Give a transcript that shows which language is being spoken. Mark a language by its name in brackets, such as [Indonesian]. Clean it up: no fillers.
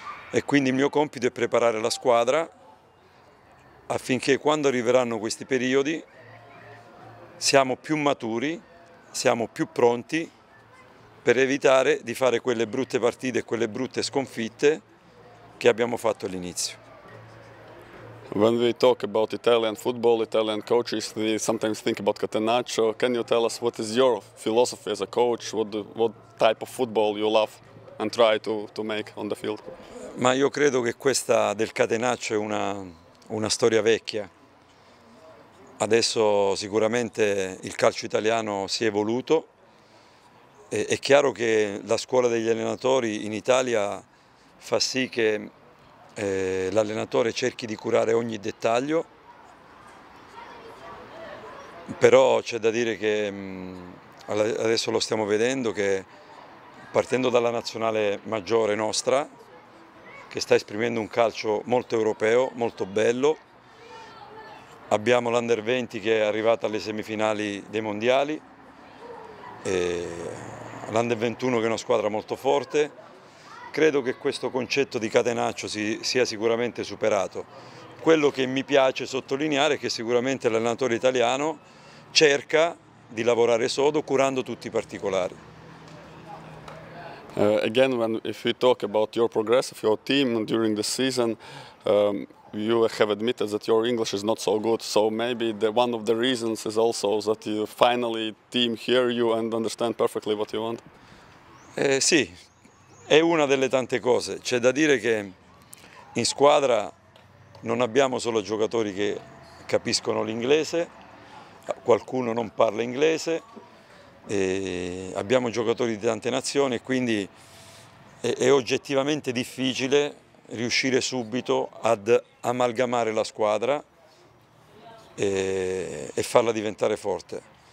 [Italian] e quindi il mio compito è preparare la squadra affinché quando arriveranno questi periodi siamo più maturi, siamo più pronti per evitare di fare quelle brutte partite e quelle brutte sconfitte che abbiamo fatto all'inizio. [English] When we talk about Italian football, Italian coaches, we sometimes think about Catenaccio. Can you tell us what is your philosophy as a coach? What type of football you love and try to make on the field? [Italian] Ma io credo che questa del Catenaccio è una storia vecchia. Adesso sicuramente il calcio italiano si è evoluto. È chiaro che la scuola degli allenatori in Italia fa sì che l'allenatore cerchi di curare ogni dettaglio, però c'è da dire che adesso lo stiamo vedendo, che partendo dalla nazionale maggiore nostra, che sta esprimendo un calcio molto europeo, molto bello, abbiamo l'Under 20 che è arrivata alle semifinali dei mondiali, l'Under 21 che è una squadra molto forte. Credo che questo concetto di Catenaccio sia sicuramente superato. Quello che mi piace sottolineare è che sicuramente l'allenatore italiano cerca di lavorare sodo curando tutti i particolari. [English] Again, if we talk about your progress of your team during the season, you have admitted that your English is not so good, so maybe the one of the reasons is also that you finally team hear you and understand perfectly what you want. [Italian] Sì, è una delle tante cose. C'è da dire che in squadra non abbiamo solo giocatori che capiscono l'inglese, qualcuno non parla inglese, e abbiamo giocatori di tante nazioni, quindi è oggettivamente difficile riuscire subito ad amalgamare la squadra e farla diventare forte.